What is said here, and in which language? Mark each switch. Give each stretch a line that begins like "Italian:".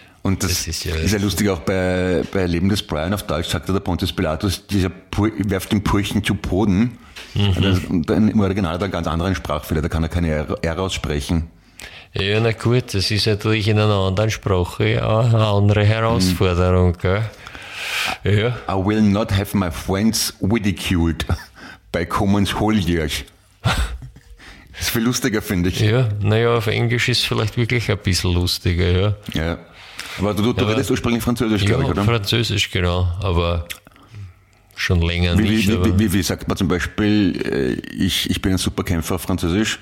German: Und das ist ja, ist ja lustig, auch bei Leben des Brian auf Deutsch sagt der Pontius Pilatus, dieser werft den Purchen zu Boden. Im Original hat er einen ganz anderen Sprachfehler, da kann er keine R aussprechen. Ja, na gut, das ist natürlich in einer anderen Sprache eine andere Herausforderung. Gell?
English: Ja. I will not have my friends ridiculed by Commons Holiers.
German: Das ist viel lustiger, finde ich. Ja, naja, auf Englisch ist es vielleicht wirklich ein bisschen lustiger, ja. Ja. Aber du redest ursprünglich Französisch, glaube ich, oder? Französisch, genau, aber schon länger wie sagt man zum Beispiel, ich bin ein Superkämpfer auf Französisch?